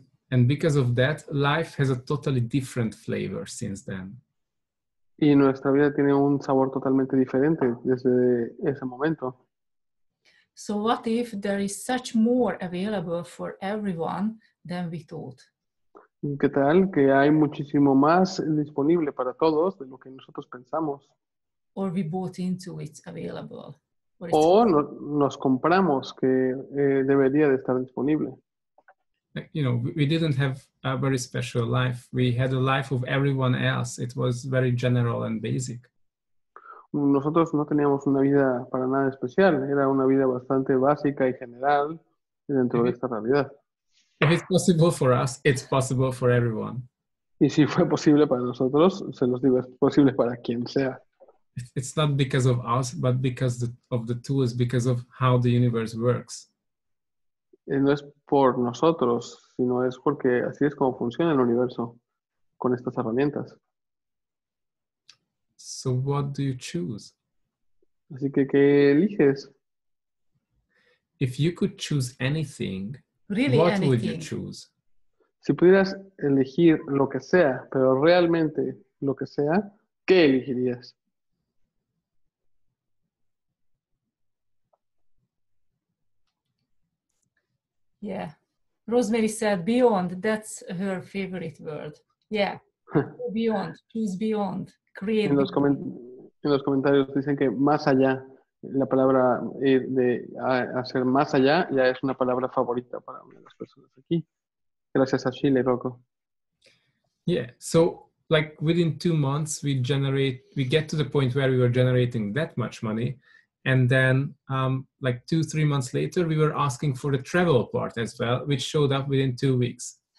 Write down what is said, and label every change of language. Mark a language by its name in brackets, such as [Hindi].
[English] And because of that, life has a totally different flavor since then. [Spanish] Y nuestra vida tiene un sabor totalmente diferente desde ese momento. [English] So what if there is such more available for everyone than we thought? [Spanish] ¿Qué tal que hay muchísimo más disponible para todos de lo que nosotros pensamos? [English] Or we bought into it's available. It's [Spanish] o no, nos compramos que debería de estar disponible. [English] You know, we didn't have a very special life. We had a life of everyone else. It was very general and basic. [Spanish] Nosotros no teníamos una vida para nada especial. Era una vida bastante básica y general dentro de esta realidad. [English] If it's possible for us, it's possible for everyone. [Spanish] Y si fue posible para nosotros, se los digo, es posible para quien sea. [English] It's not because of us, but because of the tools, because of how the universe works. [Spanish] No es por nosotros, sino es porque así es como funciona el universo con estas herramientas. [English] So what do you choose? [Spanish] Así que, ¿qué eliges? [English] If you could choose anything, really what anything would you choose? [Spanish] Si pudieras elegir lo que sea, pero realmente lo que sea, ¿qué elegirías? [English] Yeah. Rosemary said beyond, that's her favorite word. Yeah. Beyond, choose beyond, create. [Spanish] En los comentarios dicen que más allá, la palabra de hacer más allá ya es una palabra favorita para una de las personas aquí. Gracias a Chile, Rocco. [English] Yeah, so like within 2 months we get to the point where we were generating that much money. And then like 2-3 months later, we were asking for the travel part as well, which showed up within 2 weeks.